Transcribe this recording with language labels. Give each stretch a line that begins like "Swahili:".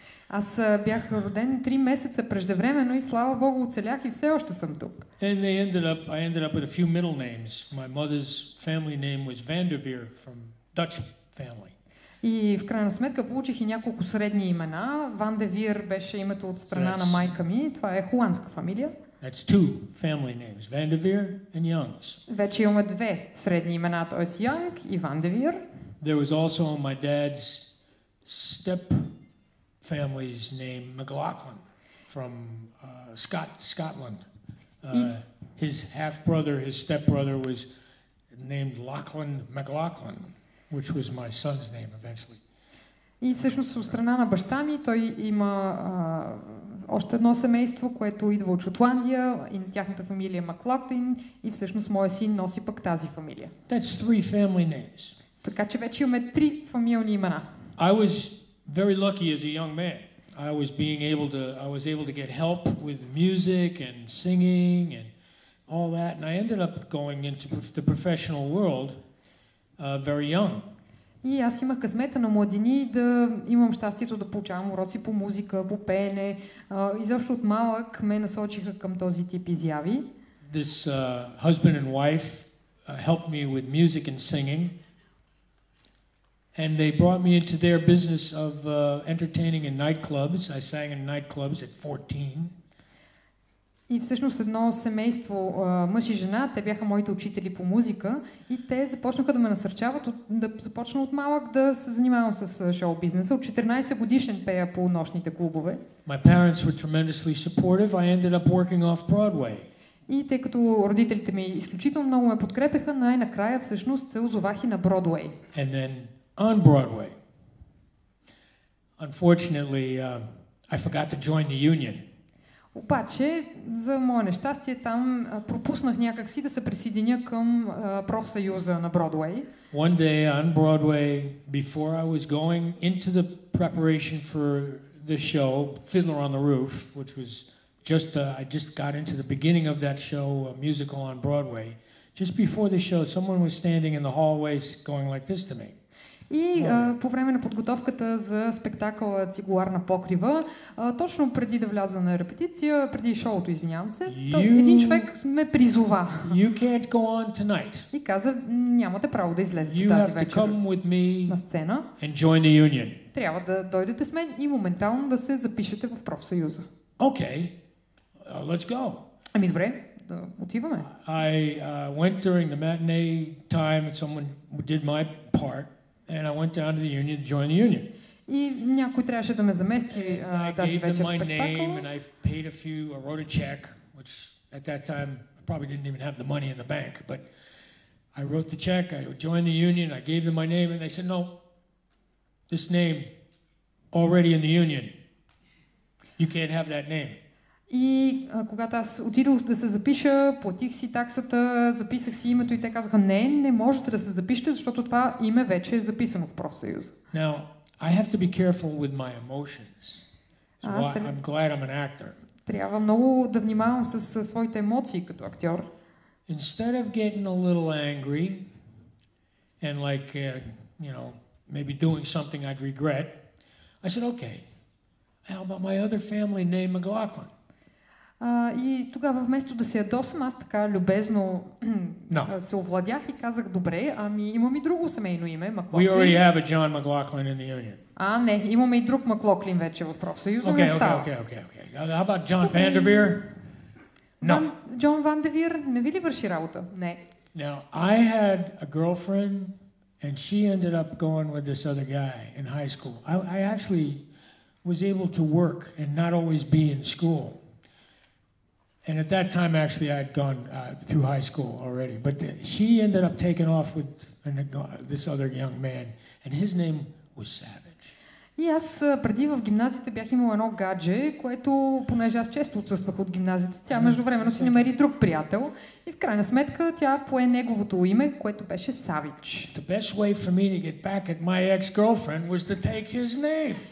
Bulgarian: Аз бях роден 3 месеца преждевременно и слава Богу оцелях и все още съм тук.
English: And I ended up with a few middle names. My mother's family name was Vanderveer from Dutch family.
Bulgarian: И в крайна сметка получих и няколко средни имена. Ван де Вир беше името от страна на майка ми. Това е холандска фамилия.
English: That's two family names, Van de Veer and Youngs.
Bulgarian: Вече имаме две средни имена, т.е. Young и Ван де Вир.
English: There was also on my dad's step family's name, McLaughlin, from Scotland. His half-brother, his step-brother, was named Lachlan McLaughlin, which was my son's name eventually.
Bulgarian: И всъщност от страна на баща ми той има още едно семейство, което идва от Шотландия, и тяхната фамилия Маклаклин, и всъщност моя син носи пък тази фамилия.
English: That's three family names.
Bulgarian: Така че вече имаме три фамилни имена.
English: I was very lucky as a young man. I was able to get help with music and singing and all that, and I ended up going into the professional world very young.
Bulgarian: И аз имах късмета на младини да имам щастието да получавам уроци по музика, по пеене. Изобщо от малък ме насочиха към този тип изяви.
English: This husband and wife helped me with music and singing. And they brought me into their business of entertaining in nightclubs. I sang in nightclubs at 14.
Bulgarian: И всъщност едно семейство, мъж и жена, те бяха моите учители по музика и те започнаха да ме насърчават да започна от малък да се занимавам с шоу-бизнеса. От 14 годишен пея по нощните клубове.
English: My parents were tremendously supportive. I ended up working off Broadway.
Bulgarian: И тъй като родителите ми изключително много ме подкрепяха, най-накрая всъщност се озовах и на Broadway.
English: And then on Broadway. Unfortunately, I forgot to join the union.
Bulgarian: Обаче, за мое нещастие, там пропуснах някак си да се присъединя към профсъюза на Broadway.
English: One day on Broadway, before I was going into the preparation for the show, Fiddler on the Roof, which was just, I just got into the beginning of that show, a musical on Broadway, just before the show, someone was standing in the hallways going like this to me.
Bulgarian: И по време на подготовката за спектакъла Цигуларна покрива, точно преди да вляза на репетиция, преди шоуто, извинявам се, един човек ме призова.
English: You can't go on tonight.
Bulgarian: И каза, нямате право да излезете тази вечер.
English: You have to come with me
Bulgarian: на сцена.
English: And join the union.
Bulgarian: Трябва да дойдете с мен и моментално да се запишете в профсъюза.
English: Okay. Let's go.
Bulgarian: Ами добре, да отиваме.
English: I went during the matinee time and someone did my part. And I went down to the union to join the union.
Bulgarian: И някой трябваше да ме замести тази вечер в спектакъл.
English: And I paid a few, I wrote a check, which at that time I probably didn't even have the money in the bank, but I wrote the check, I joined the union, I gave them my name and they said no. This name already in the union. You can't have that name.
Bulgarian: И когато аз отидох да се запиша, платих си таксата, записах си името и те казаха: "Не, не можете да се запишете, защото това име вече е записано в профсъюза."
English: Now, I have to be careful with my emotions. I'm glad I'm an actor.
Bulgarian: Трябва много да внимавам с своите емоции като актьор.
English: Instead of getting a little angry and like, you know, maybe doing something I'd regret, I said, "Okay. How about my other family name, McLaughlin?"
Bulgarian: И тогава вместо да се ядосам, аз така любезно се овладях и казах: "Добре, ами имам и друго семейно име, Маклоклин."
English: We already have a John McLaughlin in the union.
Bulgarian: А, не, имаме и друг Маклоклин вече в профсъюза.
English: Okay, okay. How about John Vanderveer? No.
Bulgarian: John Vanderveer не ви ли върши работа? Не.
English: Now, I had a girlfriend and she ended up going with this other guy in high school. I actually was able to work and not always be in school. And at that time, actually, I had gone through high school already. But she ended up taking off with this other young man, and his name was Savage.
Bulgarian: И аз преди в гимназията бях имал едно гадже, което, понеже аз често отсъствах от гимназията, тя междувременно си намери друг приятел. И в крайна сметка тя пое неговото име, което беше Савич.
English: The best way for me to get back at my ex-girlfriend was to take his name.